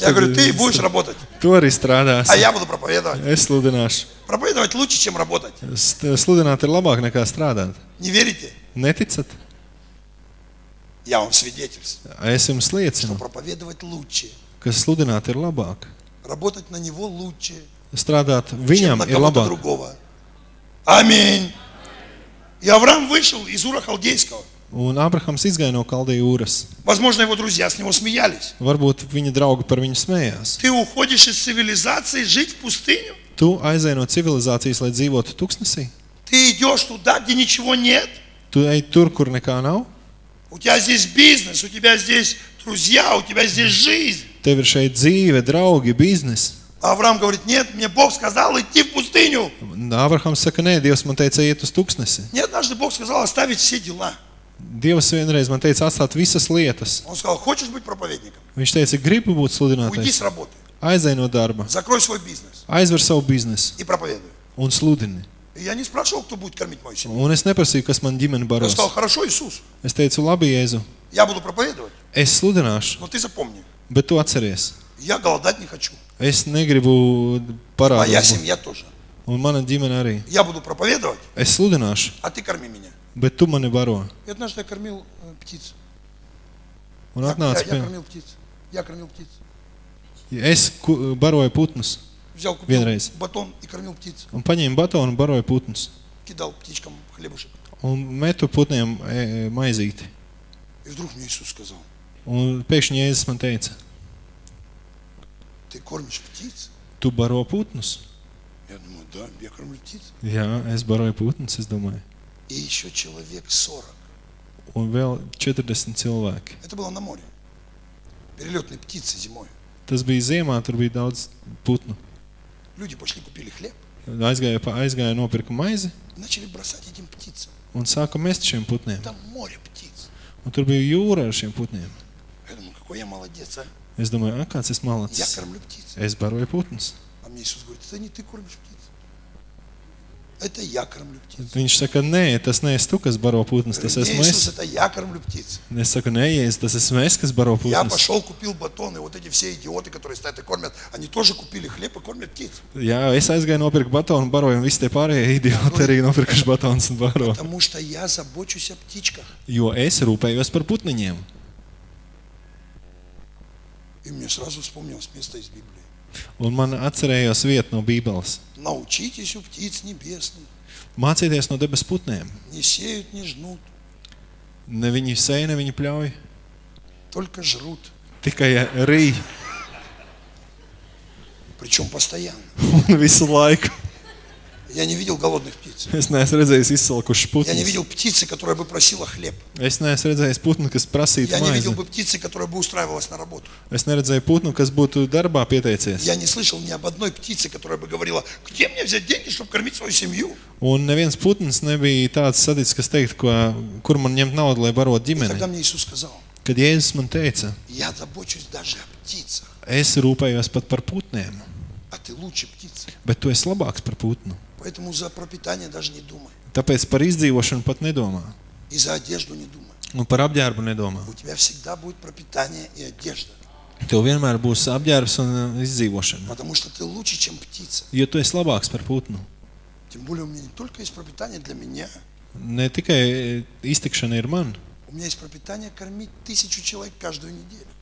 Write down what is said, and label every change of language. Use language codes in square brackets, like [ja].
[lv] tad... [ru] Я говорю, ты будешь работать. [lv] Tu arī strādās. [ru] А я буду проповедовать. [lv] Es sludināšu. [ru] Проповедовать лучше, чем работать. [lv] Sludināt ir labāk nekā strādāt. [ru] Не верите? [lv] Neticat? [ru] Я вам свидетельствую. [lv] А es jums liecinu. [ru] Что проповедовать лучше. [lv] Kas sludināt ir labāk. [ru] Работать на него лучше. [lv] Strādāt viņam ir labāk. Amen. [ru] И Авраам вышел из Ура Халдейского. [lv] Un Abrahams izgāja no Kaldēju Ūras. [ru] Возможно, его друзья с него смеялись. [lv] Varbūt viņa draugi par viņu smējās. [ru] Ты уходишь из цивилизации жить в пустыню? [lv] Tu aizej no civilizācijas, lai dzīvotu tuksnesī? [ru] Ты идёшь туда, где ничего нет? [lv] Tu ej tur, kur nekā nav? [ru] У тебя здесь бизнес, у тебя здесь друзья, у тебя здесь жизнь. [lv] Tev ir šeit dzīve, draugi, biznes. [ru] Авраам говорит: "Нет, мне Бог сказал идти в пустыню". [lv] Abrahams saka: "Nē, Dievs man teica iet uz tuksnesi". [ru] Нет, однажды Бог сказал оставить все дела. [lv] Dievs vienreiz man teica atstāt visas lietas. [ru] Он сказал: "Хочешь быть проповедником?" [lv] Viņš teica: "Gribu būt sludinātājs". [ru] Уйди с работы. [lv] Aizej no darba. [ru] Закрой свой бизнес. [lv] Aizver savu biznesu. [ru] И проповедуй. [lv] Un sludini. [ru] Я не спрашивал, кто будет кормить мою семью. [lv] Un es neprasīju, kas man ģimeni baros. [ru] Он сказал: "Хорошо, Иисус". [lv] Es teicu: "Labi, Jēzu". [ru] Я буду проповедовать. [lv] Es sludināšu. [ru] Но ты запомни. [lv] Bet tu atceries. [ru] Я голодать не хочу. [lv] Es negribu parādīt. [ru] Моя семья тоже. [lv] Un mana ģimene arī. [ru] Я буду проповедовать. [lv] Es sludināšu. [ru] А ты корми меня. [lv] Bet tu mani baro. [ru] Я однажды кормил птиц. [lv] Un atnāca pie... [ru] Я кормил птиц. [lv] Es baroju putnus. [ru] Взял [lv] vienreiz. [ru] Батон и кормил птиц. [lv] Un paņēmu batonu un baroju putnus. [ru] Кидал птичкам хлебушек. [lv] Un metu putniem maizīti. [ru] И вдруг мне Иисус сказал. [lv] Un pēkšņi Jēzus man teica. [ru] Ты кормишь птиц? [lv] Tu baro putnus? [ru] Я думаю, да, я кормлю птиц. [lv] Jā, es baroju putnus, es domāju. [ru] И еще человек 40. [lv] Un vēl 40 cilvēki. [ru] Это было на море. Перелетные птицы зимой. [lv] Tas bija ziemā, tur bija daudz putnu. [ru] Люди пошли купили хлеб. [lv] Aizgāja nopirka maizi. [ru] Начали бросать этим птицам. [lv] Un sāka mest šiem putniem. [ru] Там море птиц. [lv] Un tur bija jūra ar šiem putniem. [ru] Я думаю, какой я молодец, а? [lv] Es domāju, a, kāds es malacis. [ru] Я кормлю птиц. [lv] Es baroju putnus. [ru] А мне Иисус говорит, это не ты кормишь птиц. Это я кормлю птиц. [lv] Viņš saka, nē, tas neesi tu, kas baro putnus, tas esmu es. [ru] Это я кормлю птиц. [lv] Es saku, nē, Jēzus, tas esmu es, kas baro putnus. [ru] Я пошел, купил батоны, вот эти все идиоты, которые стоят и кормят, они тоже купили хлеб и кормят птиц. [lv] Jā, es aizgāju nopirku batonu, baroju, un visi tie pārējie idioti arī nopirkuši batonus un baro. [ru] Потому что я забочусь о птичках. [lv] Jo es rūpējos par putniņiem. [ru] И мне сразу вспомнилось место из Библии. [lv] Un man atcerējos vietu no Bībeles. [ru] Naučīties u ptīc nebiesni. [lv] Mācīties no debes putnēm. [ru] Ne sējūt, ne žnūt. [lv] Ne viņi sēja, ne viņi pļauj. [ru] Tolka žrūt. [lv] Tikai rī. [ru] Pričom pastajāni. [lv] Un visu laiku. [ru] Я не видел голодных птиц. [lv] Es neesmu redzējis izsalkušas putnas. [ru] Я не видел птицы, которая бы просила хлеб. [lv] Es neesmu redzējis putnu, kas prasītu maizi. [ru] Я не видел бы птицы, которая бы устраивалась на работу. [lv] Es neredzēju putnu, kas būtu darbā pieteicies. [ru] Я не слышал ни об одной птице, которая бы говорила: "Где мне взять деньги, чтобы кормить свою семью?" [lv] Un neviens putns nebija tāds sadicis, kas teikt, ko, kur man ņemt naudu, lai barot ģimeni. Tad man Jēzus [ru] сказал. [lv] Kad Jēzus man teica: [ru] "Я забочусь даже о птицах". [lv] Es rūpējos pat par putniem. [ru] А ты лучше птицы. [lv] Bet tu esi labāks par putnu. [ru] Поэтому за пропитание даже не думай. [lv] Tāpēc par izdzīvošanu pat nedomā. [ru] И за одежду не думай. [lv] Un par apģērbu nedomā. [ru] У тебя всегда будет пропитание и одежда. [lv] Tev vienmēr būs apģērbs un izdzīvošana. [ru] Потому что ты лучше, чем птица. [lv] Jo tu esi labāks par putnu. [ru] Тем более у меня не только есть пропитание для меня. [lv] Ne tikai iztikšana ir man. [ru] У меня есть пропитание кормить 1000 человек каждую неделю.